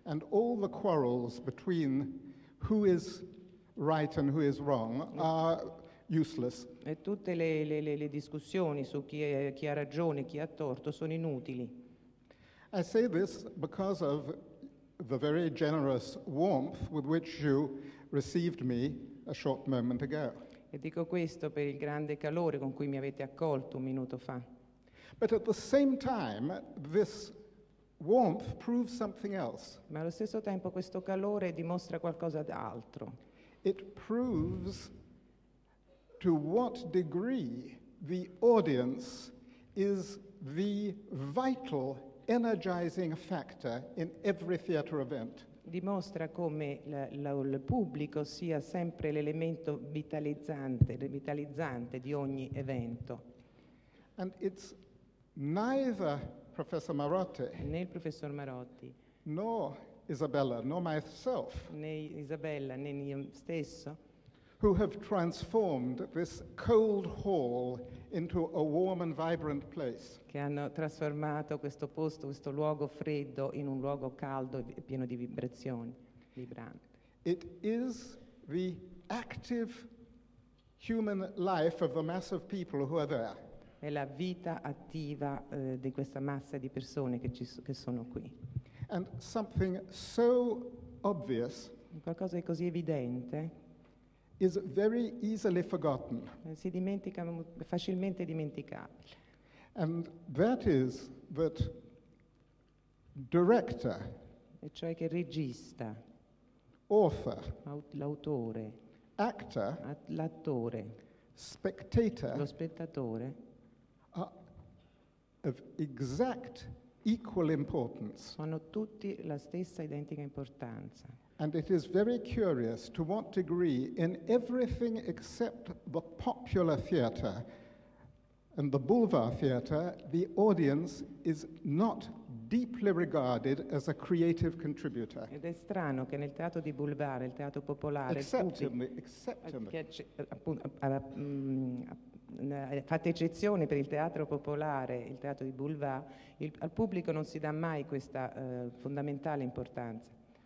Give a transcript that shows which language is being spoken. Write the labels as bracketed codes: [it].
[en] And all the quarrels between who is right and who is wrong are useless. [it] E tutte le discussioni su chi ha ragione, chi ha torto sono inutili. [en] I say this because of the very generous warmth with which you received me a short moment ago. [it] E dico questo per il grande calore con cui mi avete accolto un minuto fa. [en] But at the same time, this warmth proves something else. [it] Ma allo stesso tempo questo calore dimostra qualcosa d'altro. [en] It proves to what degree the audience is the vital energizing factor in every theater event. [it] Dimostra come il pubblico sia sempre l'elemento vitalizzante di ogni evento. [en] And it's neither Professor Marotti, [it] né il professor Marotti, [en] nor Isabella, nor myself, [it] né Isabella, né io stesso, [en] who have transformed this cold hall into a warm and vibrant place. [it] Che hanno trasformato questo posto, questo luogo freddo, in un luogo caldo e pieno di vibrazioni, vibrante. [en] It is the active human life of the mass of people who are there. [it] È la vita attiva di questa massa di persone che sono qui. [en] And something so obvious. [it] Qualcosa di così evidente. [en] Is very easily forgotten. [it] Si dimentica facilmente dimenticabile. [en] And that is that director, [it] e cioè che regista, [en] author, [it] l'autore, [en] actor, [it] l'attore, [en] spectator, [it] lo spettatore, [en] are of exact equal importance. [it] Sono tutti la stessa identica importanza. [en] And it is very curious to what degree in everything except the popular theater and the boulevard theater, the audience is not deeply regarded as a creative contributor. [it] Ed è strano che nel teatro di boulevard, il teatro popolare, fate eccezione per il teatro popolare, il teatro di boulevard, al pubblico non si dà mai questa fondamentale importanza.